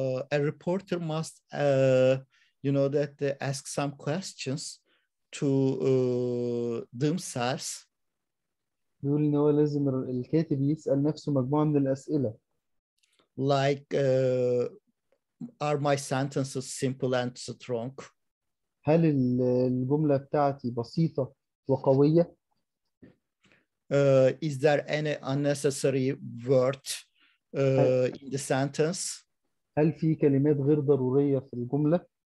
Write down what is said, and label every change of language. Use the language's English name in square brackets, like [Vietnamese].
[English] A reporter must you know that ask some questions to themselves. [Arabic] بيقول إن هو لازم الكاتب يسأل نفسه مجموعة من الأسئلة. [English] Like are my sentences simple and strong? [Arabic] هل الجملة بتاعتي بسيطة وقوية؟ [English] Is there any unnecessary word in the sentence? [Arabic] هل في كلمات غير ضرورية في الجملة؟